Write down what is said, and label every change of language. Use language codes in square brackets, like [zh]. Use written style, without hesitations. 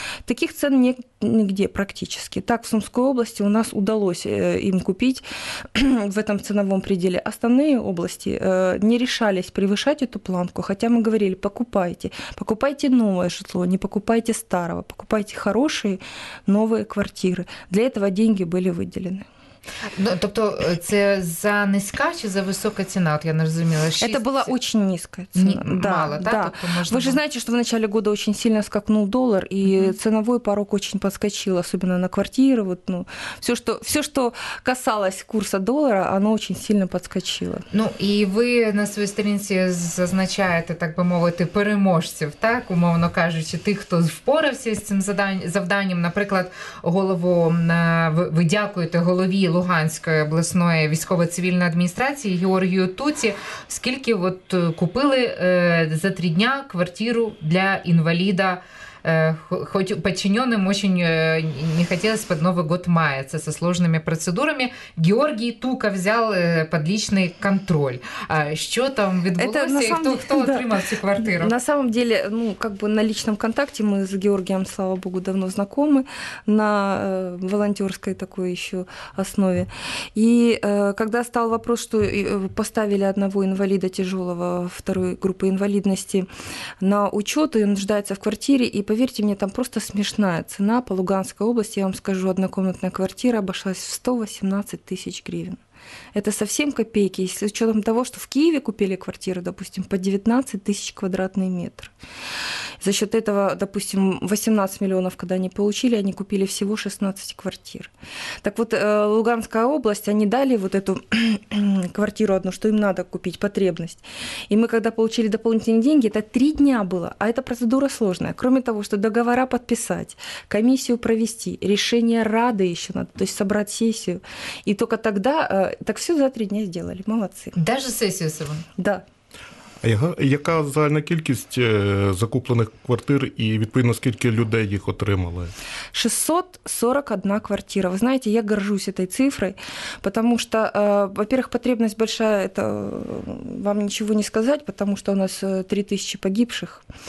[ru] Таких цен нигде практически. Так в Сумской области у нас удалось им купить в этом ценовом пределе. Остальные области не решались превышать эту планку, хотя мы говорили, покупайте. Покупайте новое жилье, не покупайте старого. Покупайте хорошие новые квартиры. Для этого деньги были выделены. [uk] Ну, тобто це за низька чи за висока ціна? От я не розуміла. Це була дуже низька ціна. Мало, так? Да. Тобто можна... Ви ж знаєте, що в початку року дуже сильно скакнув долар, і ціновий порог дуже підскочив, особливо на квартири. Вот, ну, все, що касалось курсу долара, воно дуже сильно підскочило. Ну, і ви на своїй сторінці зазначаєте, так би мовити, переможців, так? Умовно кажучи, тих, хто впорався з цим завданням. Наприклад, голову, ви дякуєте голові Луганської обласної військово-цивільної адміністрації Георгію Туці, скільки от купили за 3 дні квартиру для інваліда, хоч підчиненим очень не хотілося під Новий год має, це зі сложними процедурами. Георгій Тука взяв під лічний контроль. А що там відбулося і хто отримав цю квартиру? [ru] На самом деле, ну, как бы на личном контакте мы с Георгием, слава богу, давно знакомы на волонтерской такой еще основе. И когда стал вопрос, что поставили одного инвалида тяжелого второй группы инвалидности на учет, и он нуждается в квартире, и поверьте мне, там просто смешная цена по Луганской области. Я вам скажу, однокомнатная квартира обошлась в 118 тысяч гривен. Это совсем копейки, если с учетом того, что в Киеве купили квартиру, допустим, по 19 тысяч квадратный метр. За счет этого, допустим, 18 миллионов, когда они получили, они купили всего 16 квартир. Так вот, Луганская область, они дали вот эту квартиру одну, что им надо купить, потребность. И мы, когда получили дополнительные деньги, это 3 дня было, а эта процедура сложная. Кроме того, что договора подписать, комиссию провести, решение Рады еще надо, то есть собрать сессию. И только тогда, так все за 3 дня сделали, молодцы. Даже сессию собрали? Да. [uk] Яка загальна кількість закуплених квартир і, відповідно, скільки людей їх отримали? 641 квартира. Ви знаєте, я горжусь цією цифрою, тому що, во-первых, потребность большая, это вам нічого не сказати, потому що у нас 3000 погибших.